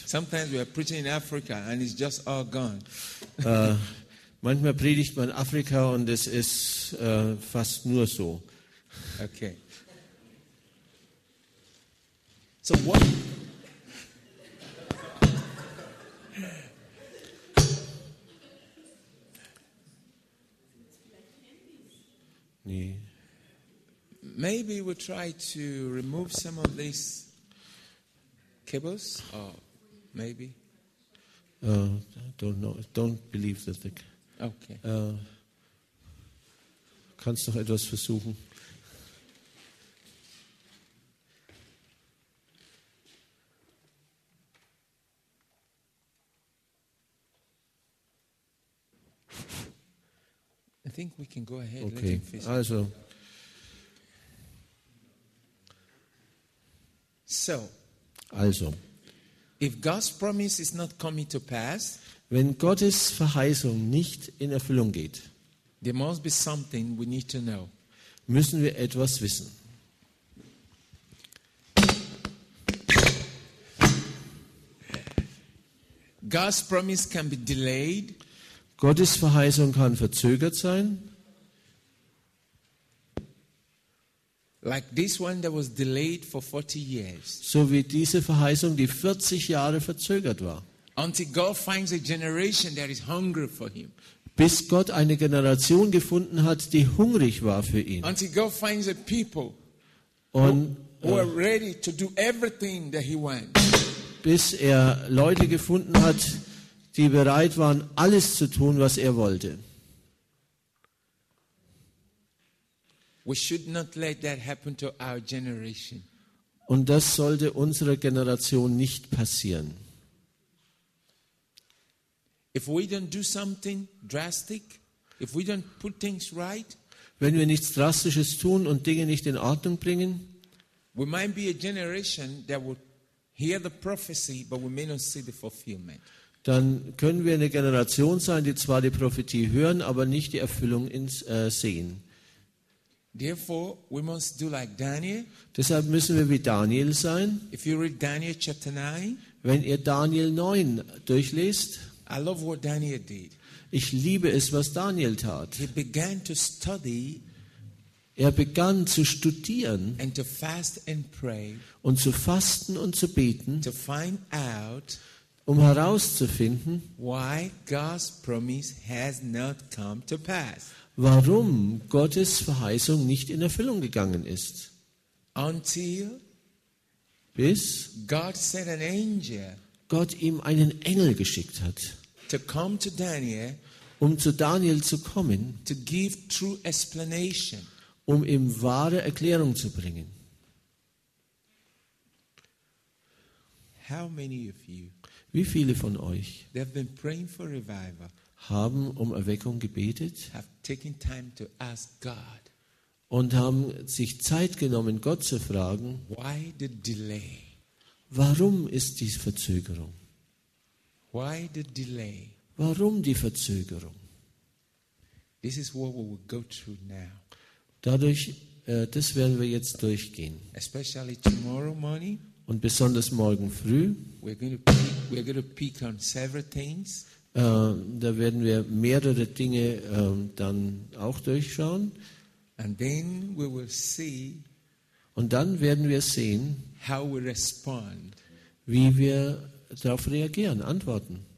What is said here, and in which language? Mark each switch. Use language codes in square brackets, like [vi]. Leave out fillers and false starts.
[en] Sometimes we are preaching in Africa and it's just all gone. [de] Manchmal predigt man Afrika und es ist fast nur so. [en] Okay. So what? [de] Nee. [en] Maybe we try to remove some of these cables, or maybe. Don't know. Don't believe that the. Okay. [de] Kannst noch etwas versuchen. [en] I think we can go ahead. Okay. Also. So, [de] also, [en] if God's promise is not coming to pass, [de] wenn Gottes Verheißung nicht in Erfüllung geht, [en] there must be something we need to know. [de] Müssen wir etwas wissen. [en] God's promise can be delayed. [de] Gottes Verheißung kann verzögert sein. [en] Like this one that was delayed for 40 years. [de] So wie diese Verheißung, die 40 Jahre verzögert war. [en] Until God finds a generation that is hungry for him. [de] Bis Gott eine Generation gefunden hat, die hungrig war für ihn. [en] Until God finds a people who are ready to do everything that he wants. [de] Bis er Leute gefunden hat, die bereit waren, alles zu tun, was er wollte. [en] We should not let that happen to our generation. [de] Und das sollte unserer Generation nicht passieren. [en] If we don't do something drastic, if we don't put things right, [de] wenn wir nichts Drastisches tun und Dinge nicht in Ordnung bringen, [en] we might be a generation that will hear the prophecy, but we may not see the fulfillment. [de] Dann können wir eine Generation sein, die zwar die Prophetie hören, aber nicht die Erfüllung sehen. [en] Therefore, we must do like Daniel. [de] Deshalb müssen wir wie Daniel sein. [en] If you read Daniel chapter 9, [de] wenn ihr Daniel 9 durchlest, [en] I love what Daniel did. [de] Ich liebe es, was Daniel tat. [en] He began to study, [de] er begann zu studieren [en] and to fast and pray, [de] und zu fasten und zu beten, [en] to find out, [de] um herauszufinden, [en] why God's promise has not come to pass. [de] Warum Gottes Verheißung nicht in Erfüllung gegangen ist. [en] Until [de] bis [en] God sent an angel, [de] Gott ihm einen Engel geschickt hat, [en] to come to Daniel, [de] um zu Daniel zu kommen, [en] to give true explanation, [de] um ihm wahre Erklärung zu bringen. [en] How many of you, [de] wie viele von euch, [en] they have been praying for revival, [de] haben um Erweckung gebetet, [en] have taken time to ask God, [de] und haben sich Zeit genommen, Gott zu fragen, [en] why the delay? [de] Warum ist dies Verzögerung? [en] Why the delay? [de] Warum die Verzögerung? [en] This is what we will go through now. [de] Dadurch, das werden wir jetzt durchgehen. [en] Especially tomorrow morning, [de] und besonders morgen früh, [en] we're going to pick on several things. [de] Da werden wir mehrere Dinge dann auch durchschauen. [en] And then we will see, [de] und dann werden wir sehen, [en] how we respond, [de] wie wir darauf reagieren, antworten.